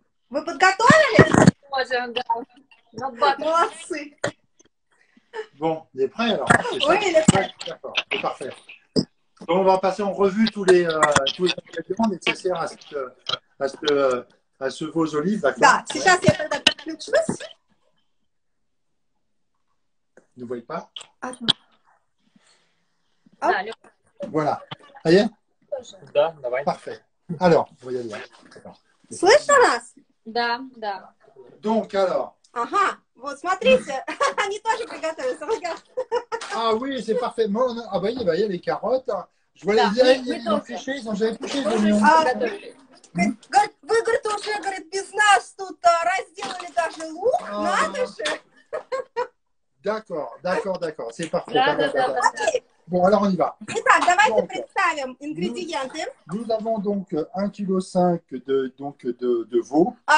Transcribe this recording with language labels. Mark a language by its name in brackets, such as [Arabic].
[Russian] Вы подготовились? Боже, да. Молодцы. [French] Bon, il est prêt alors. Est oui, il est prêt. D'accord, c'est parfait. Donc on va passer en revue tous les ingrédients nécessaires à ce veau aux olives, d'accord? [Russian] Да, сейчас я тогда подключусь. [French] Ne voyez pas? Attends. Hop. Voilà. Aïe? [Russian] Да, давай. [French] Parfait. Alors, on va y aller. [Russian] Слышно нас? Да, да. [French] Donc, alors? [Russian] Ага, вот смотрите, они тоже приготовились, [French] regarde. Ah oui, c'est parfait. Ah bah oui, bah, les carottes. Je voulais dire, ils ont fiché, ils ont déjà épluché les oignons. [Russian] Вы, говорит, уже, говорит, без нас тут разделали даже лук, надо же. [French] D'accord, c'est parfait. [Russian] Да, да, да. [French] Bon, alors on y va. [Russian] Итак, давайте donc, представим ингредиенты. [French] Nous avons donc 1,5 kg de veau.